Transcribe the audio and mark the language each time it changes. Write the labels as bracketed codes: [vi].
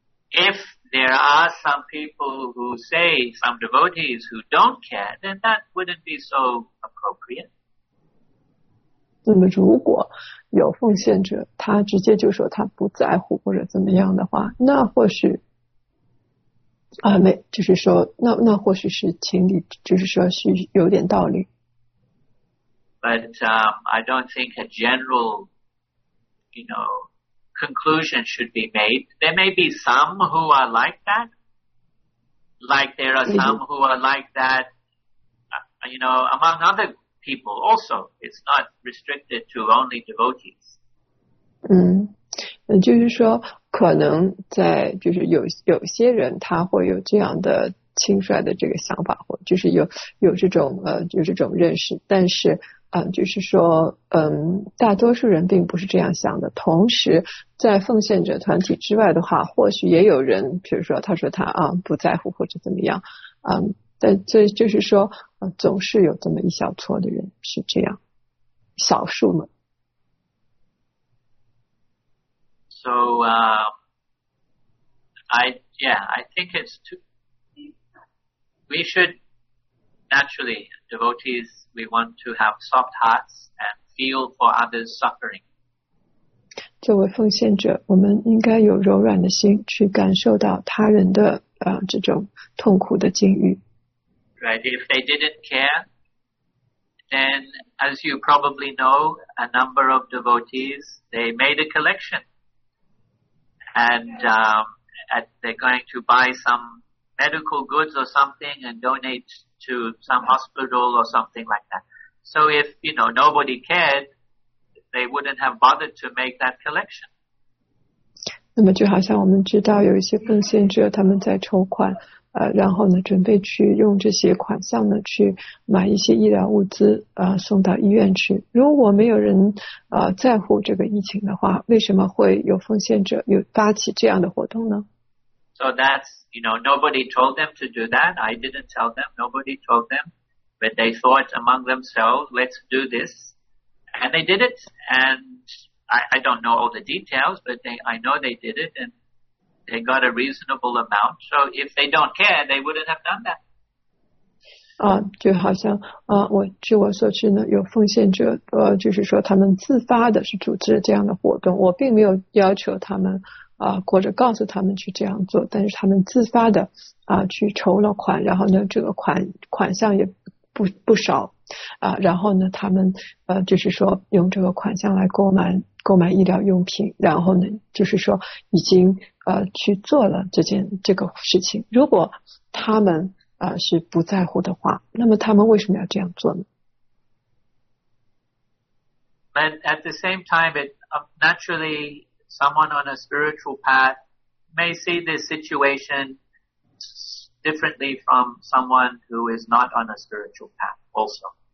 [en] If there are some people who say some devotees who don't care, then that wouldn't be so appropriate. [zh] 那么如果有奉献者他直接就说他不在乎或者怎么样的话，那或许没，就是说那或许是情理，就是说是有点道理。 [en] But I don't think a general, you know, conclusion should be made. There may be some who are like that. Like there are some who are like that, you know, among other people also. It's not restricted to only devotees. [zh] 就是说可能在就是有些人他会有这样的轻率的这个想法或就是有这种就是这种认识但是就是说大多数人并不是这样想的同时在奉献者团体之外的话或许也有人比如说他说他不在乎或者怎么样但这就是说总是有这么一小撮的人是这样少数嘛。 [en] So, I think it's too, we should naturally, devotees,we want to have soft hearts and feel for others' suffering. [zh] 作为奉献者，我们应该有柔软的心去感受到他人的这种痛苦的境遇。 [en] Right, if they didn't care, then as you probably know, a number of devotees, they made a collection. And they're going to buy some medical goods or something and donateto some hospital or something like that. So if, you know, nobody cared, they wouldn't have bothered to make that collection. [zh] 那么就好像我们知道有一些奉献者他们在筹款然后呢准备去用这些款项呢去买一些医疗物资送到医院去。如果没有人在乎这个疫情的话为什么会有奉献者有发起这样的活动呢？ [en] So that's, you know, nobody told them to do that. I didn't tell them. Nobody told them. But they thought among themselves, let's do this. And they did it. And I don't know all the details, but I know they did it. And they got a reasonable amount. So if they don't care, they wouldn't have done that. [zh] 就好像据我所知呢，有奉献者就是说他们自发的是组织这样的活动。我并没有要求他们或者告诉他们去这样做，但是他们自发的去筹了款，然后呢，这个款项也不少然后呢，他们就是说用这个款项来购买医疗用品，然后呢，就是说已经去做了这个事情。如果他们是不在乎的话，那么他们为什么要这样做呢？ [en] But at the same time, it naturally someone on a spiritual path may see this situation differently from someone who is not on a spiritual path also.